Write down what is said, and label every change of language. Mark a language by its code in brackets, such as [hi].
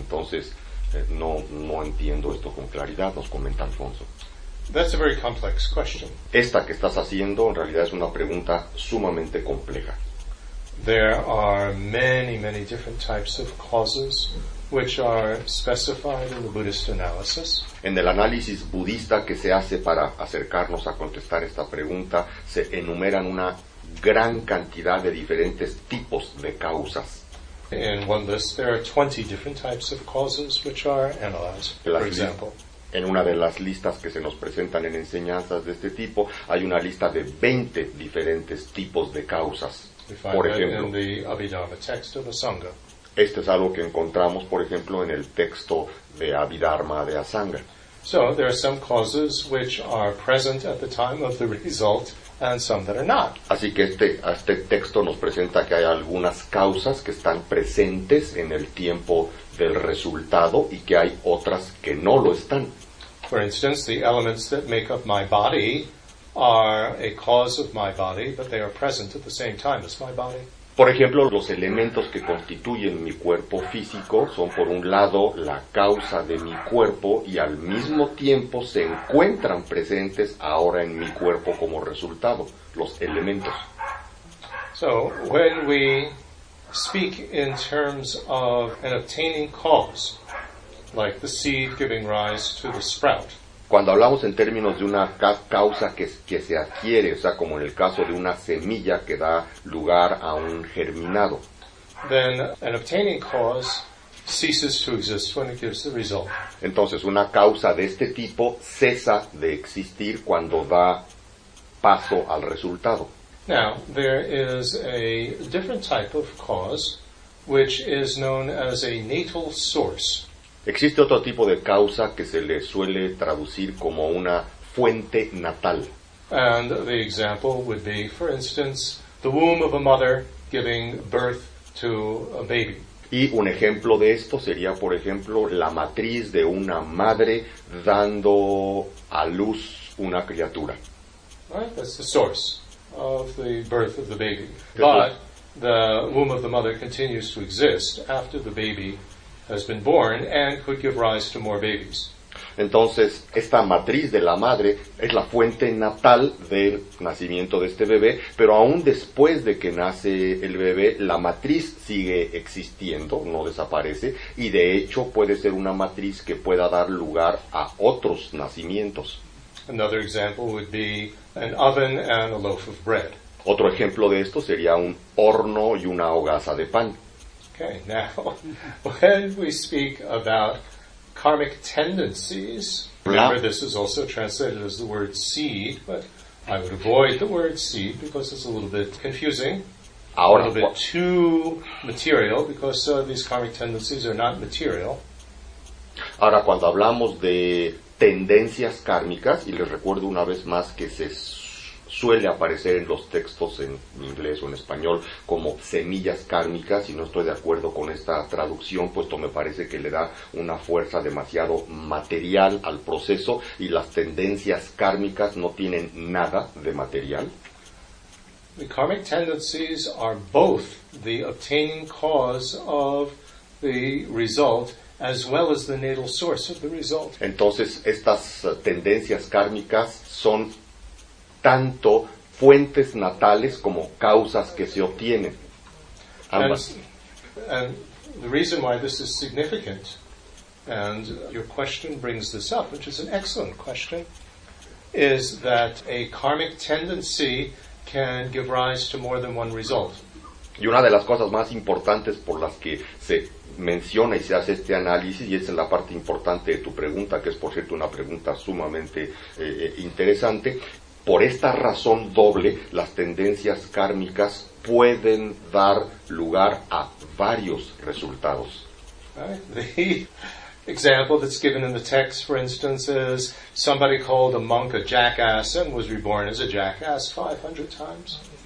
[es] Entonces, no entiendo esto con claridad, nos comenta Alfonso. [en] That's a very complex question. [es] Esta que estás haciendo en realidad es una pregunta sumamente compleja. [en] There are many, many different types of causes which are specified in the Buddhist analysis. [es] En el análisis budista que se hace para acercarnos a contestar esta pregunta, se enumeran una gran cantidad de diferentes tipos de causas. [en] In one list, there are 20 different types of causes which are analyzed, for example. [es] En una de las listas que se nos presentan en enseñanzas de este tipo, hay una lista de 20 diferentes tipos de causas. Por ejemplo, [en] in the Abhidharma text of the Sangha. [es] Este es algo que encontramos, por ejemplo, en el texto de Abhidharma de Asanga. [en] So, there are some causes which are present at the time of the result and some that are not. [es] Así que este texto nos presenta que hay algunas causas que están presentes en el tiempo del resultado y que hay otras que no lo están. [en] For instance, the elements that make up my body are a cause of my body, but they are present at the same time as my body. [es] Por ejemplo, los elementos que constituyen mi cuerpo físico son, por un lado, la causa de mi cuerpo y al mismo tiempo se encuentran presentes ahora en mi cuerpo como resultado, los elementos. [en] So, when we speak in terms of an obtaining cause, like the seed giving rise to the sprout. [es] Cuando hablamos en términos de una causa que se adquiere, o sea, como en el caso de una semilla que da lugar a un germinado, [en] then an obtaining cause ceases to exist when it gives the result. [es] Entonces, una causa de este tipo cesa de existir cuando da paso al resultado. [en] Now, there is a different type of cause which is known as a natal source. [es] Existe otro tipo de causa que se le suele traducir como una fuente natal. [en] And the example would be, for instance, the womb of a mother giving birth to a baby. [es] Y un ejemplo de esto sería, por ejemplo, la matriz de una madre dando a luz una criatura. [en] Right, that's the source of the birth of the baby. But the womb of the mother continues to exist after the baby has been born and could give rise to more babies. [es] Entonces, esta matriz de la madre es la fuente natal del nacimiento de este bebé, pero aún después de que nace el bebé, la matriz sigue existiendo, no desaparece, y de hecho puede ser una matriz que pueda dar lugar a otros nacimientos. [en] Another example would be an oven and a loaf of bread. [es] Otro ejemplo de esto sería un horno y una hogaza de pan. [en] Okay, now, when we speak about karmic tendencies, remember this is also translated as the word seed, but I would avoid the word seed because it's a little bit confusing, [es] ahora, [en] a little bit too material, because these karmic tendencies are not material. [es] Ahora, cuando hablamos de tendencias kármicas, y les recuerdo una vez más que se suele aparecer en los textos en inglés o en español como semillas kármicas, y no estoy de acuerdo con esta traducción, puesto me parece que le da una fuerza demasiado material al proceso, y las tendencias kármicas no tienen nada de material. [en] The karmic tendencies are both the obtaining cause of the result as well as the natal source of the result. [es] Entonces, estas tendencias kármicas son tanto fuentes natales como causas que se obtienen. Ambas. [en] And the reason why this is significant, and your question brings this up, which is an excellent question, is that a karmic tendency can give rise to more than one result. [es] Y una de las cosas más importantes por las que se menciona y se hace este análisis, y esa es la parte importante de tu pregunta, que es por cierto una pregunta sumamente interesante, por esta razón doble, las tendencias kármicas pueden dar lugar a varios resultados. [en] The example that's given in the text, for instance, is somebody called a monk a jackass and was reborn as a jackass 500 times.